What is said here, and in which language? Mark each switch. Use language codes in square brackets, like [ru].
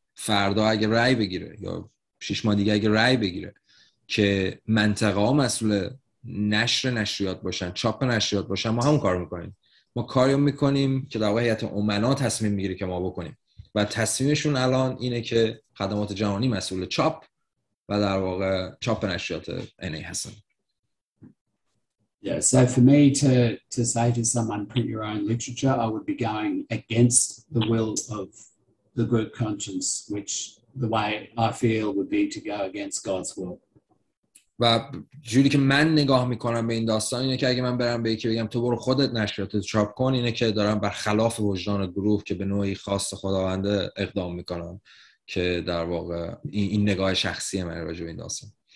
[fa] فردا اگه رأی بگیره یا 6 ماه دیگه اگه رأی بگیره که منطقه ها مسئول نشریات باشن، چاپ نشریات باشن، ما همون کارو میکنیم. ما کاریو میکنیم که در واقع هیئت امنا تصمیم میگیره که ما بکنیم و تصمیمشون الان اینه که خدمات جهانی مسئول چاپ و در واقع چاپ نشریات NA هستن. [en] Yeah, so for me to say to someone print your own literature, I would be going against the will of the group conscience, which the way I feel would be to go against God's will. [fa] و جوری که من نگاه میکنم به این داستان اینه که اگه من برم به یکی بگم تو برو خودت نشریاتت چاپ کن، اینه که دارم بر خلاف وجدان گروه که به نوعی خاص خداونده اقدام میکنم، که در واقع این نگاه شخصی من راجع به این داستان.